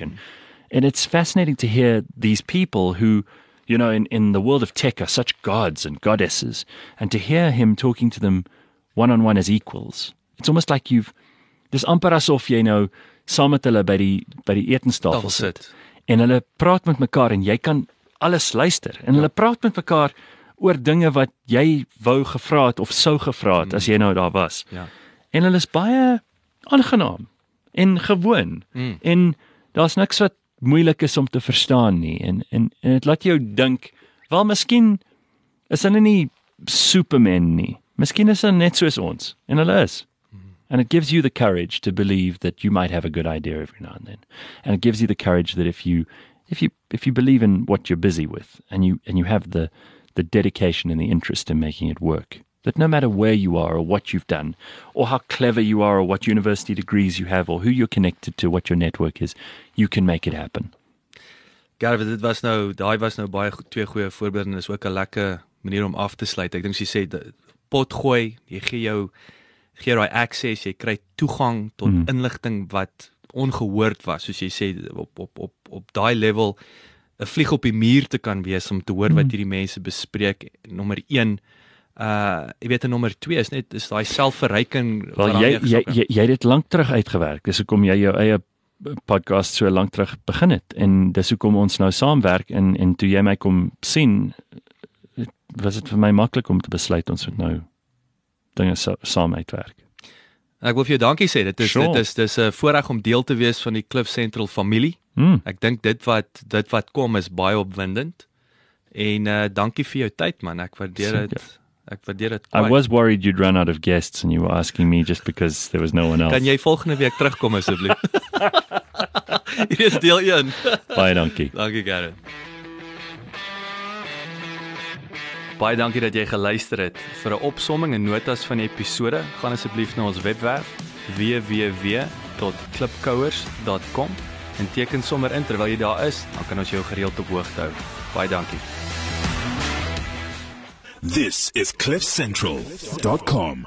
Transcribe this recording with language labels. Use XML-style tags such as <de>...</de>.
<en>And it's fascinating to hear these people who, you know, in the world of tech are such gods and goddesses. And to hear him talking to them one-on-one as equals, it's almost like you've, dis amper asof jy nou saam met hulle by die etenstafel sit.</en> <af>En hulle praat met mekaar en jy kan alles luister. En hulle praat met mekaar oor dinge wat jy wou gevra het of sou gevra het as jy nou daar was.</af> <en>Yeah.</en> <af>En hulle is baie aangenaam en gewoon. Mm. En daar is niks wat moeilik is om te verstaan nie, en het laat jou dink, wel, miskien is hulle nie supermen nie, miskien is hulle net soos ons, en hulle is.</af> <en>And it gives you the courage to believe that you might have a good idea every now and then. And it gives you the courage that if you believe in what you're busy with, and you have the dedication and the interest in making it work, that no matter where you are or what you've done or how clever you are or what university degrees you have or who you're connected to, what your network is, you can make it happen.</en> <af>Gareth, dit was nou baie twee goeie voorbeelde en is ook 'n lekker manier om af te sluit. Ek dink jy sê pot gooi, jy gee daai access, jy kry toegang tot inligting wat ongehoord was, soos jy sê op daai level 'n vlieg op die muur te kan wees om te hoor wat hierdie mense bespreek. Nommer 1 jy weet, nummer 2 is net, is daai selfverryking. Wel, jy het dit lang terug uitgewerk, dis hoekom jy jou eie podcast so lang terug begin het, en dis hoekom ons nou saamwerk, en toe jy my kom sien, was het vir my maklik om te besluit, ons moet nou dinge saam uitwerk. Ek wil vir jou dankie sê, dit is 'n voorreg om deel te wees van die Cliff Central familie. Mm. Ek dink dit wat kom is baie opwindend, en dankie vir jou tyd, man, ek waardeer dit. Ek waardeer dit</af> <en>kwaai. I was worried you'd run out of guests and you were asking me just because there was no one else.</en> <af>Kan jy volgende week terugkom asseblief? Hier is deel 1. Baie dankie. Dankie, Gareth. Baie dankie dat jy geluister het. Vir 'n opsomming en notas van die episode, gaan asseblief na ons webwerf www.klipkouers.com en teken sommer in terwyl jy daar is, dan kan ons jou gereeld op hoogte hou. Baie dankie.</af> <en>This is CliffCentral.com.</en>